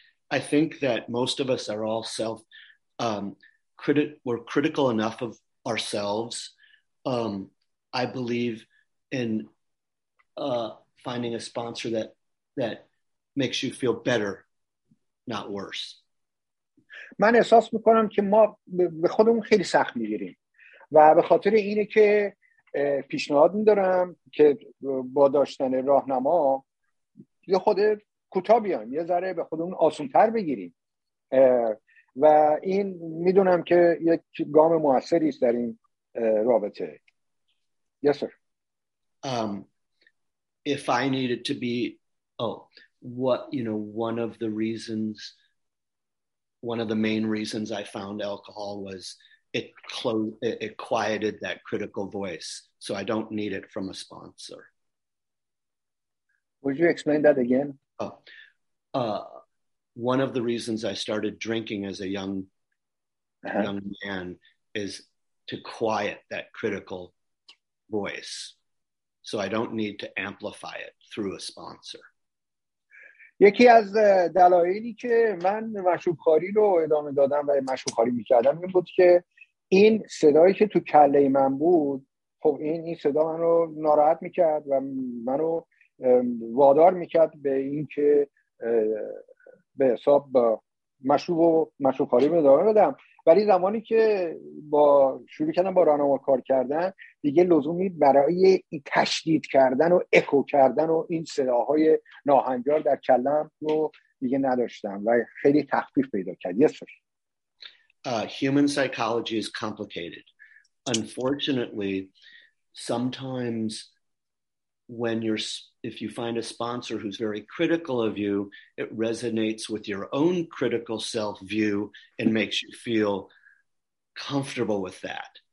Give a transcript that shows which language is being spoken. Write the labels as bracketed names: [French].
[English] I think that most of us are all self we're critical enough of ourselves. I believe in finding a sponsor that makes you feel better, not worse. [Persian] من احساس میکنم که ما به خودمون خیلی سخت میگیریم و به خاطر اینه که پیشنهاد میدارم که با داشتن راهنما یه خود کوتاه بیان، یه ذره به خودمون آسان‌تر بگیریم و این میدونم که یک گام موثری است در این رابطه. [English] Yes, sir. If I needed to be, one of the reasons, one of the main reasons I found alcohol was it quieted that critical voice. So I don't need it from a sponsor. Would you explain that again? One of the reasons I started drinking as a young, young man is to quiet that critical voice. So I don't need to amplify it through a sponsor. [Persian] یکی از دلایلی که من مشروبخواری رو ادامه دادم و مشروبخواری می‌کردم این بود که این صدایی که تو کله من بود، خب این صدا منو ناراحت می‌کرد و منو وادار می‌کرد به این که به حساب مشروب و مشروبخواری ادامه بدم. ولی زمانی که با شروع کردم با راهنما کار کردن، دیگه لزومی برای این تشدید کردن و اکو کردن و این صداهای ناهنجار در کلم رو دیگه نداشتم و خیلی تخفیف پیدا کرد. [English] Yes, sir. Human psychology is complicated. Unfortunately, sometimes if you find a sponsor who's very critical of you, it resonates with your own critical self-view and makes you feel comfortable with that.